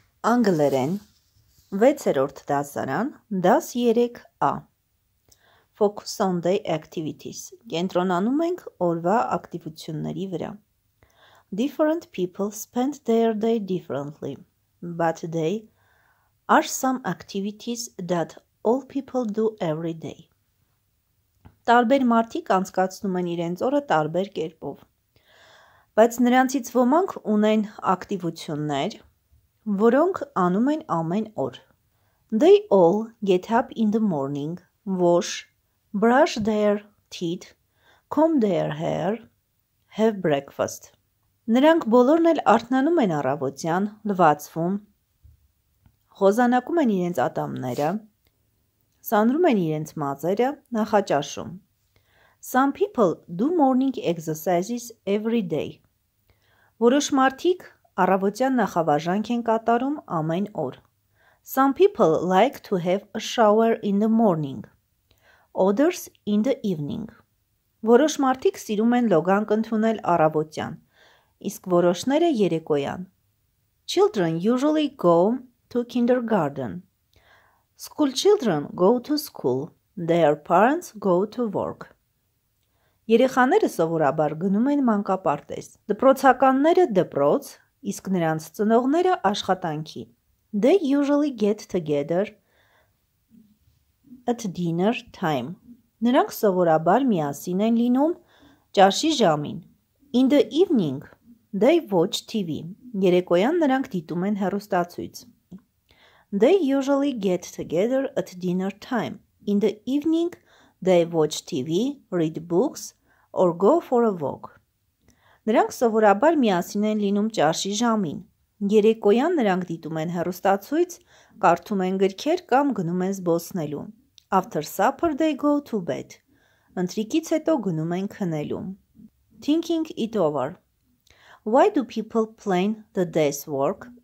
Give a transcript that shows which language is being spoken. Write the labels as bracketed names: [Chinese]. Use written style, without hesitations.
[Armenian] Անգլերեն 6-րդ դասարան [English] 13A Focus on the activities. [Armenian] Կենտրոնանում ենք օրվա ակտիվությունների վրա. [English] Different people spend their day differently, but they are some activities that all people do every day. [Armenian] Տարբեր մարդիկ անցկացնում են իրենց օրը տարբեր կերպով, բայց նրանցից ոմանք ունեն ակտիվություններ, որոնք անում են ամեն օր. [English] They all get up in the morning, wash, brush their teeth, comb their hair, have breakfast. [Armenian] Նրանք բոլորն էլ արթնանում են առավոտյան, լվացվում, խոզանակում են իրենց ատամները, սանրում են իրենց մազերը, նախաճաշում. [English] Some people do morning exercises every day. [Armenian] Որոշ մարդիկ առավոտյան նախավաժանք են կատարում ամեն օր. [English] Some people like to have a shower in the morning. Others in the evening. [Armenian] Որոշ մարդիկ սիրում են լոգանք ընդունել առավոտյան, իսկ որոշները երեկոյան. [English] Children usually go to kindergarten. School children go to school. Their parents go to work. [Armenian] Երեխաները սովորաբար գնում են մանկապարտեզ. Դպրոցականները դպրոց, իսկ նրանց ծնողները աշխատանքի. [English] They usually get together at dinner time. [Armenian] Նրանք սովորաբար միասին են լինում ճաշի ժամին. [English] In the evening, they watch TV. [Armenian] Երեկոյան նրանք դիտում են հեռուստացույց. [English] They usually get together at dinner time. In the evening, they watch TV, read books, or go for a walk. [Armenian] Նրանք սովորաբար միասին են լինում ճաշի ժամին. Երեկոյան նրանք դիտում են հեռուստացույց, կարդում են գրքեր կամ գնում են զբոսնելու. [English] After supper they go to bed. [Armenian] Ընթրիկից հետո գնում են քնելու. [English] Thinking it over. Why do people plan the day's work?